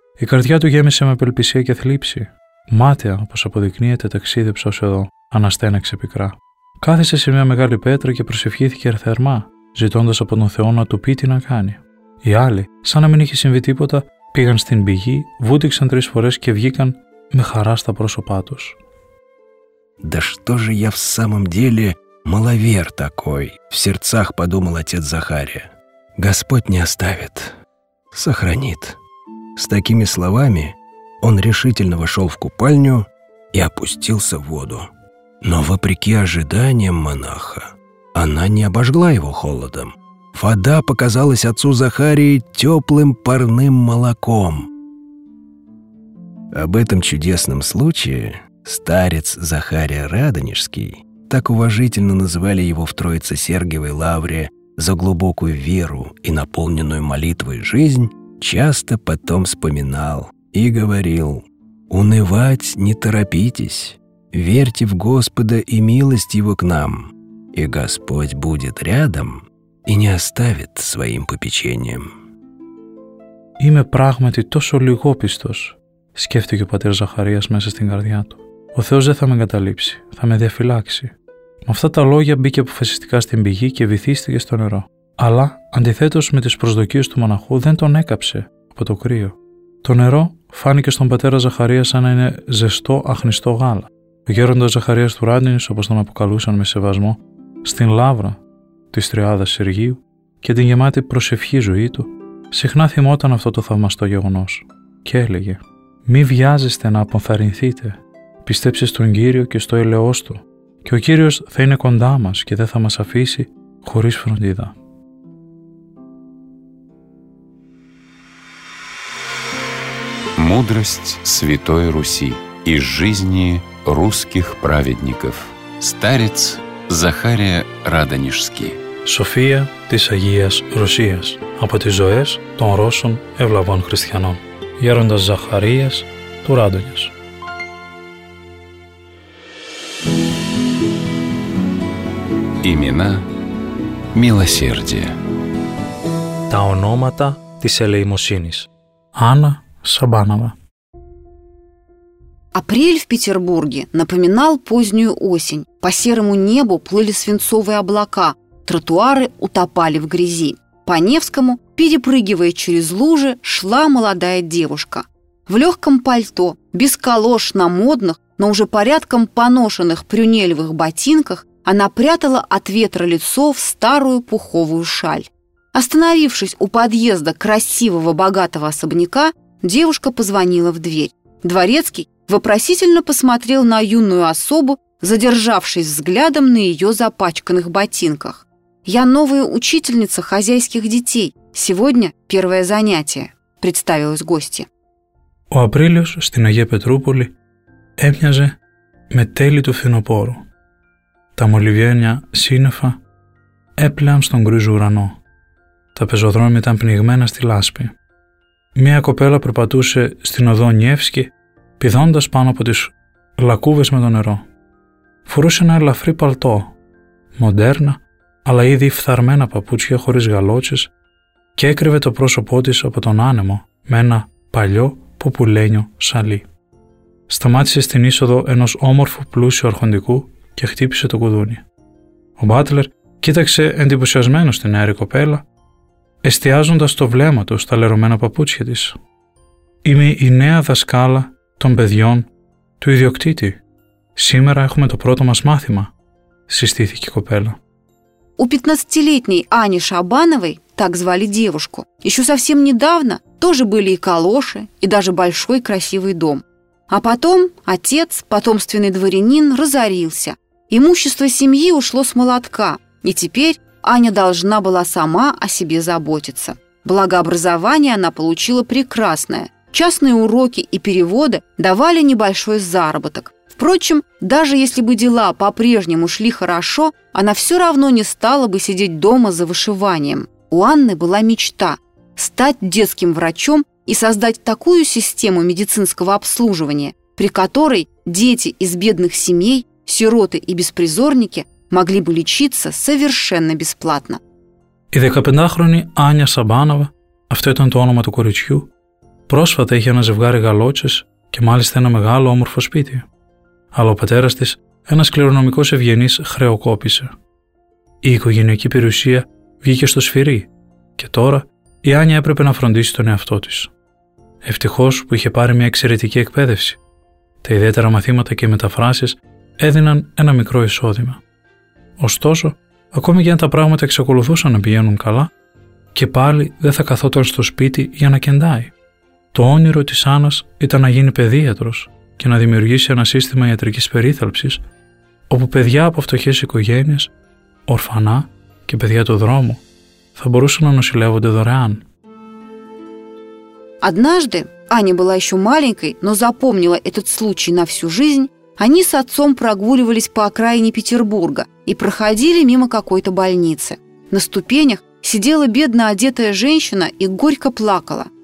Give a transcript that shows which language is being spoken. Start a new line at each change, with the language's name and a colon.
Greek: Η καρδιά του γέμισε με απελπισία και θλίψη. «Μάτια, όπως αποδεικνύεται, ταξίδεψα ως εδώ», αναστέναξε πικρά. Κάθισε σε μια μεγάλη πέτρα και προσευχήθηκε ερθερμά, ζητώντας από τον Θεό να του πει τι να κάνει. Οι άλλοι, σαν να μην είχε συμβεί τίποτα, πήγαν στην πηγή, βούτυξαν τρεις φορές και βγήκαν με χαρά στα πρόσωπά τους.
Russian: «Да что же я в самом деле маловер такой», — в сердцах подумал отец Захария. «Господь не оставит, сохранит». С такими словами он решительно вошел в купальню и опустился в воду. Но вопреки ожиданиям монаха, она не обожгла его холодом. Вода показалась отцу Захарии теплым парным молоком. Об этом чудесном случае старец Захария Радонежский, так уважительно называли его в Троице Сергиевой Лавре за глубокую веру и наполненную молитвой жизнь, часто потом вспоминал и говорил: «Унывать не торопитесь, верьте в Господа и милость Его к нам, и Господь будет рядом и не оставит своим попечением».
Greek: «Είμαι πράγματι τόσο λιγόπιστος», σκέφτηκε ο πατήρ Ζαχαρίας μέσα στην καρδιά του. «Ο Θεός δεν θα με εγκαταλείψει, θα με διαφυλάξει». Με αυτά τα λόγια μπήκε αποφασιστικά στην πηγή και βυθίστηκε στο νερό. Αλλά, αντιθέτως με τις προσδοκίες του μοναχού, δεν τον έκαψε από το κρύο. Το νερό φάνηκε στον πατέρα Ζαχαρία σαν να είναι ζεστό, αχνηστό γάλα. Ο γέροντας Ζαχαρίας του Ράντινης, όπως τον αποκαλούσαν με σεβασμό, στην λαύρα της Τριάδας Συργίου και την γεμάτη προσευχή ζωή του, συχνά θυμόταν αυτό το θαυμαστό γεγονός και έλεγε: «Μη βιάζεστε να αποθαρρυνθείτε. Πιστέψτε στον Κύριο και στο έλεος του, και ο Κύριος θα είναι κοντά μας και δεν θα μας αφήσει χωρίς φροντίδα».
Russian: Мудрость Святой Руси из жизни русских праведников. Старец Захария Радонежский.
Greek: София της Агίας Ρωσίας. Από τις ζωές των Ρώσων ευλαβών χριστιανών. Γέροντας Ζαχαρίας του Ράντονιος.
Russian: Имена милосердия.
Greek: Τα ονόματα της ελεημοσύνης. Άννα Сабанова.
Russian: Апрель в Петербурге напоминал позднюю осень. По серому небу плыли свинцовые облака, тротуары утопали в грязи. По Невскому, перепрыгивая через лужи, шла молодая девушка. В легком пальто, без калош на модных, но уже порядком поношенных прюнелевых ботинках, она прятала от ветра лицо в старую пуховую шаль. Остановившись у подъезда красивого богатого особняка, девушка позвонила в дверь. Дворецкий вопросительно посмотрел на юную особу, задержавшись взглядом на ее запачканных ботинках. «Я новая учительница хозяйских детей. Сегодня первое занятие», – представилась гостья.
Greek: Ο Апрίλιος στην Αγία Πετρούπολη έμοιαζε με τέλη του φθινοπόρου. Τα μολυβιένια σύννεφα έπλεαν στον γκρίζο ουρανό. Τα πεζοδρόμια ήταν πνιγμένα στη λάσπη. Μία κοπέλα περπατούσε στην οδό Νιεύσκη, πηδώντας πάνω από τις λακκούβες με το νερό. Φορούσε ένα ελαφρύ παλτό, μοντέρνα, αλλά ήδη φθαρμένα παπούτσια χωρίς γαλότσες, και έκρυβε το πρόσωπό της από τον άνεμο με ένα παλιό πουπουλένιο σαλί. Σταμάτησε στην είσοδο ενός όμορφου πλούσιου αρχοντικού και χτύπησε το κουδούνι. Ο μπάτλερ κοίταξε εντυπωσιασμένο στην νεαρή κοπέλα, εστιάζοντας το βλέμμα του στα λερωμένα παπούτσια της. «Είμαι η νέα δασκάλα των παιδιών του ιδιοκτήτη. Σήμερα έχουμε το πρώτο μας μάθημα», συστήθηκε η κοπέλα.
Russian: У 15-летней Ани Шабановой, так звали девушку, еще совсем недавно тоже были и калоши, и даже большой красивый дом. А потом отец, потомственный дворянин, разорился. Имущество семьи ушло с молотка, и теперь Аня должна была сама о себе заботиться. Благо, образование она получила прекрасное. Частные уроки и переводы давали небольшой заработок. Впрочем, даже если бы дела по-прежнему шли хорошо, она все равно не стала бы сидеть дома за вышиванием. У Анны была мечта – стать детским врачом и создать такую систему медицинского обслуживания, при которой дети из бедных семей, сироты и беспризорники – могли бы лечиться совершенно бесплатно.
Greek: Η 15-χρονη Άνια Σαμπάνοβα, αυτό ήταν το όνομα του κοριτσιού, πρόσφατα είχε ένα ζευγάρι γαλότσες και μάλιστα ένα μεγάλο όμορφο σπίτι. Αλλά ο πατέρας της, ένας κληρονομικός ευγενής, χρεοκόπησε. Η οικογενειακή περιουσία βγήκε στο σφυρί και τώρα η Άνια έπρεπε να φροντίσει τον εαυτό της. Ευτυχώς που είχε πάρει μια εξαιρετική εκπαίδευση. Τα ιδιαίτερα μαθήματα και μεταφράσεις έδιναν ένα μικρό εισόδημα. Ωστόσο, ακόμη και αν τα πράγματα εξακολουθούσαν να πηγαίνουν καλά, και πάλι δεν θα καθόταν στο σπίτι για να κεντάει. Το όνειρο της Άννας ήταν να γίνει παιδίατρος και να δημιουργήσει ένα σύστημα ιατρικής περίθαλψης, όπου παιδιά από φτωχές οικογένειες, ορφανά και παιδιά του δρόμου, θα μπορούσαν να νοσηλεύονται δωρεάν.
Russian: Однажды, Аня была еще маленькой, но запомнила этот случай на всю жизнь, они с отцом прогуливались по окраине Петербурга и проходили мимо какой-то больницы. На ступенях сидела бедно одетая женщина и горько плакала.